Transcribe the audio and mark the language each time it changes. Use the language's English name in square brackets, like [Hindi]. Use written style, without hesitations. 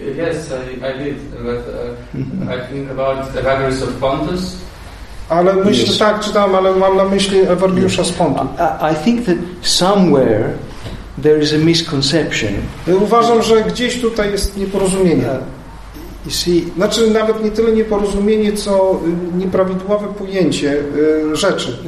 [English] Yes, I did, but I think about Evagrius of Pontus. [Polish] Ale myślę, [English] yes. [Polish] Tak, czytam, ale mam na myśli Evagriusza z Pontu. [English] I think that somewhere there is a misconception. [Polish] Uważam, że gdzieś tutaj jest nieporozumienie. Znaczy nawet nie tyle nieporozumienie, co nieprawidłowe pojęcie rzeczy.